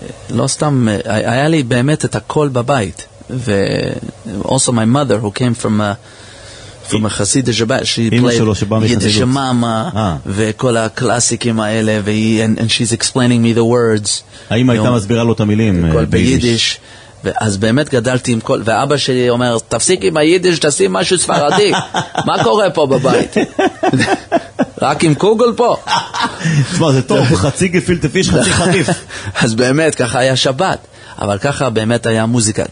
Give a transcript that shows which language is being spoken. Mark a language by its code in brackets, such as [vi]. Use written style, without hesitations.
[he] לא סתם, היה לי באמת את הכל בבית. [en] Also my mother who came from a [he] חסידה שבאה, [en] she played [he] יידיש מאמה וכל הקלאסיקים האלה, [en] and she's explaining me the words. [he] האמא הייתה מסבירה לו את המילים ביידיש. אז באמת גדלתי עם כל, ואבא שלי אומר, תפסיק עם היידיש, תשים משהו ספרדי. מה קורה פה בבית? רק עם קוגל פה. תשמע, זה טוב, חצי גפילטה פיש, חצי חטיף. אז באמת, ככה היה שבת. אבל ככה באמת היה מוזיקה.